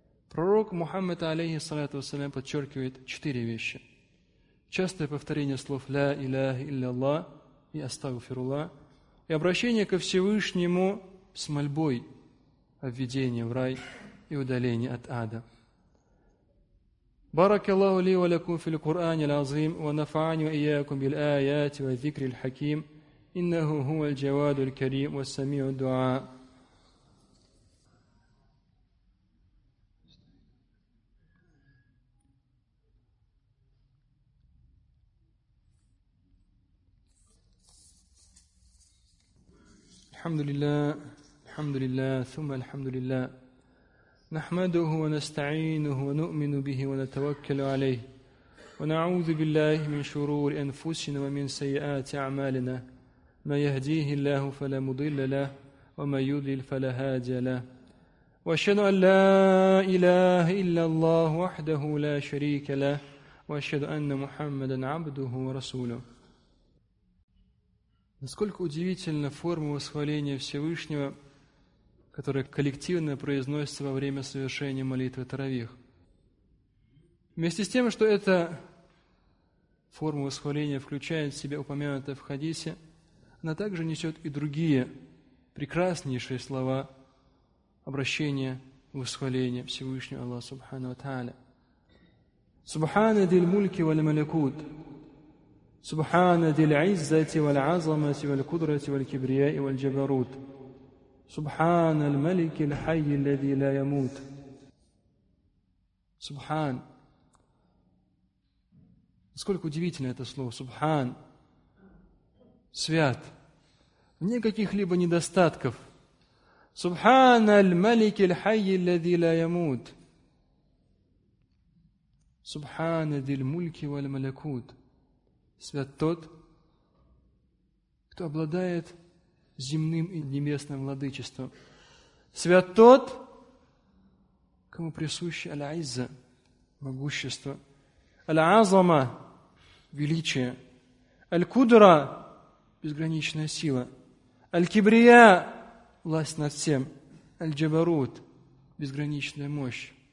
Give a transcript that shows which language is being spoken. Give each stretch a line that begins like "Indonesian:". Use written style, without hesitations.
Russian: Пророк Мухаммад, алейхиссалату вассалям, подчеркивает четыре вещи. Частое повторение слов «Ля илляха илляла» и «Астагфирулла», и обращение ко Всевышнему с мольбой о введении в рай и удалении от ада.
Arabic: بارك الله لي ولكم في القرآن العظيم ونفعني وإياكم بالآيات والذكر الحكيم إنه هو الجواد الكريم والسميع الدعاء. الحمد لله الحمد لله ثم الحمد لله نحمده ونستعينه ونؤمن به ونتوكل عليه ونعوذ بالله من شرور أنفسنا ومن سيئات أعمالنا ما يهديه الله فلا مضل له وما يضلل فلا هادي له وأشهد أن لا إله إلا الله وحده لا شريك له وأشهد أن محمدا عبده ورسوله.
Russian: Насколько удивительна форма восхваления Всевышнего, которая коллективно произносится во время совершения молитвы Таравих. Вместе с тем, что эта форма восхваления включает в себя упомянутое в хадисе, она также несет и другие прекраснейшие слова обращения, восхваления Всевышнего Аллаха Субхану ва Тааля.
Arabic: Субхана диль мульки валь малякут. سبحان ذي العزة والعظمة والقدرة والكبرياء والجبروت سبحان الملك الحي الذي لا يموت سبحان.
Russian: Сколько удивительно это слово سبحان, свят, вне каких-либо недостатков.
Arabic: سبحان الملك الحي الذي لا يموت سبحان ذي الملك والملكوت.
Russian: Свят тот, кто обладает земным и небесным владычеством. Свят тот, кому присуще аль-Айза, могущество, аль-Азама, величие, аль-Кудра, безграничная сила, аль-Кибрия, власть над всем, аль-Джабарут, безграничная мощь.